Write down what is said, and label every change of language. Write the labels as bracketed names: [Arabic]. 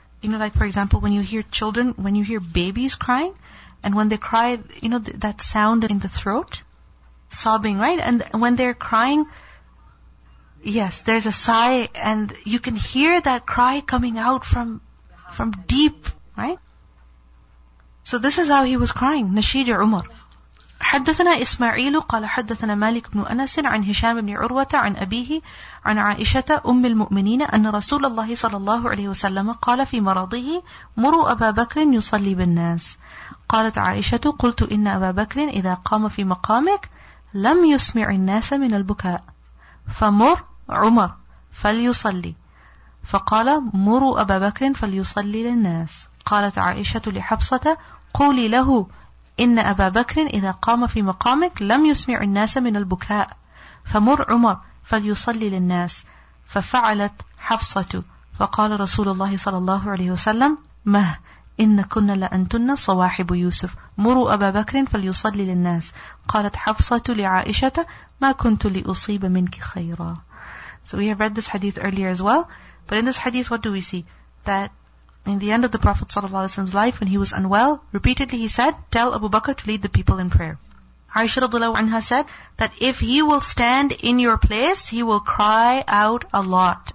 [English] You know, like for example, when you hear children, when you hear babies crying, and when they cry, you know, that sound in the throat, sobbing, right? And when they're crying, yes, there's a sigh, and you can hear that cry coming out from deep, right? So this is how he was crying, [Arabic] نشيج عمر. حدثنا إسماعيل قال حدثنا مالك بن أنس عن هشام بن عروة عن أبيه عن عائشة أم المؤمنين أن رسول الله صلى الله عليه وسلم قال في مرضه مروا أبا بكر يصلي بالناس. قالت عائشة قلت إن أبا بكر إذا قام في مقامك لم يسمع الناس من البكاء. فمر عمر فليصلي. فقال مروا أبا بكر فليصلي للناس. قالت عائشة لحفصة قولي له إن أبا بكر إذا قام في مقامك لم يسمع الناس من البكاء. فمر عمر فليصلي للناس. ففعلت حفصة. فقال رسول الله صلى الله عليه وسلم مه إن كنا لأنتن صواحب يوسف. مروا أبا بكر فليصلي للناس. قالت حفصة لعائشة ما كنت لأصيب منك خيرا. [English] So we have read this hadith earlier as well. But in this hadith, what do we see? That in the end of the Prophet ﷺ's life, when he was unwell, repeatedly he said, tell Abu Bakr to lead the people in prayer. Aisha radhiyallahu anha said that if he will stand in your place, he will cry out a lot.